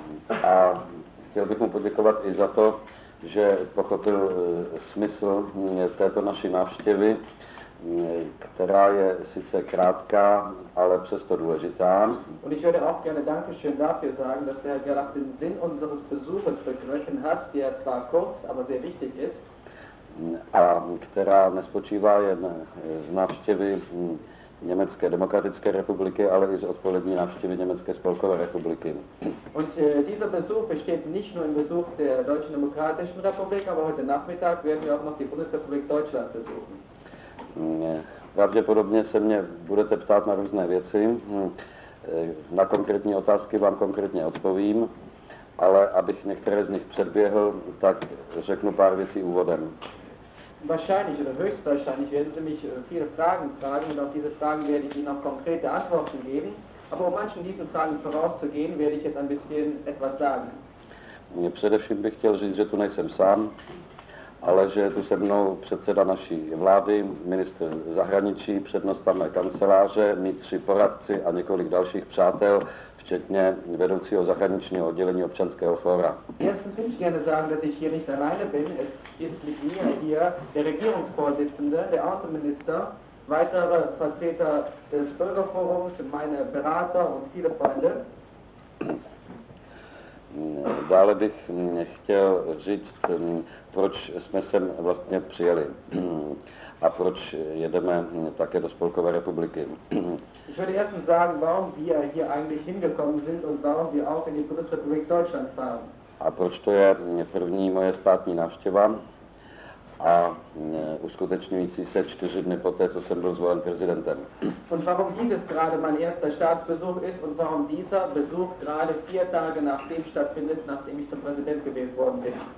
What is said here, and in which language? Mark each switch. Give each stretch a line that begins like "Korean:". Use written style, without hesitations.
Czech: A chtěl bych mu poděkovat i za to, že pochopil smysl této naší návštěvy, která je sice krátká, ale přesto důležitá.
German: Und ich würde auch gerne Dankeschön dafür sagen, dass der Herr Gerlach den Sinn unseres Besuches begriffen hat, der zwar kurz, aber sehr wichtig ist.
Czech: A která nespočívá jen z návštěvy Německé demokratické republiky, ale i z odpolední návštěvy Německé spolkové republiky.
German: Und dieser Besuch besteht nicht nur im Besuch der Deutschen Demokratischen Republik, aber heute Nachmittag werden wir auch noch die Bundesrepublik Deutschland besuchen.
Czech: Pravděpodobně se mě budete ptát na různé věci, na konkrétní otázky vám konkrétně odpovím, ale abych některé z nich předběhl, tak řeknu pár věcí úvodem.
German: Wahrscheinlich oder höchstwahrscheinlich werden Sie mich viele Fragen fragen und auf diese Fragen werde ich Ihnen noch konkrete Antworten geben, aber um manchen diesen Fragen vorauszugehen, werde ich jetzt ein bisschen etwas sagen.
Czech: Především bych chtěl říct, že tu nejsem sám, ale že tu se mnou předseda naší vlády, ministr zahraničí, přednostavné kanceláře, mí tři poradci a několik dalších přátel, včetně vedoucího zahraničního oddělení Občanského fóra.
German: Erstens würde ich gerne sagen, dass ich hier nicht alleine bin. Es ist mit mir hier der Regierungsvorsitzende, der Außenminister, weitere Vertreter des Bürgerforums, meine Berater und viele Freunde.
Czech: Dále bych chtěl říct, proč jsme sem vlastně přijeli a proč jedeme také do Spolkové republiky.
German: Ich würde erst sagen, warum wir hier eigentlich hingekommen sind und warum wir auch in die Bundesrepublik Deutschland fahren.
Czech: A proč to je první moje státní návštěva a uskutečňující se 4 dny poté, co jsem byl zvolen prezidentem.
German: Und warum dieses gerade mein erster Staatsbesuch ist und warum dieser Besuch gerade 4 Tage nachdem stattfindet, nachdem ich zum Präsident gewählt worden bin.